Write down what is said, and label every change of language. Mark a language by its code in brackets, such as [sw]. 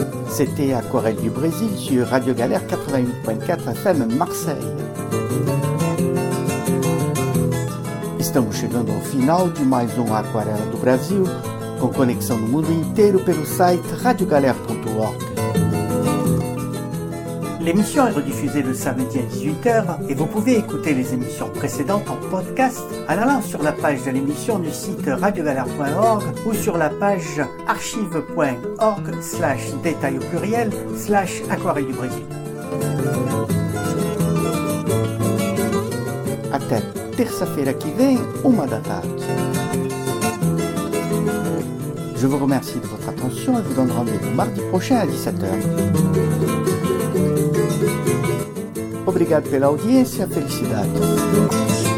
[fr] C'était Aquarelle du Brésil sur Radio Galère 88.4 FM Marseille. [pt] Estamos chegando ao final de mais Aquarela do Brasil, com conexão no mundo inteiro pelo site radiogalère.org. [fr] L'émission est rediffusée le samedi à 18h et vous pouvez écouter les émissions précédentes en podcast en allant sur la page de l'émission du site radiogalère.org ou sur la page archive.org/détails/aquarelle du Brésil. [pt] Até terça-feira que vem, 1 da tarde. [fr] Je vous remercie de votre attention et vous donne rendez-vous mardi prochain à 17h. [pt] Obrigado pela audiência, felicidade.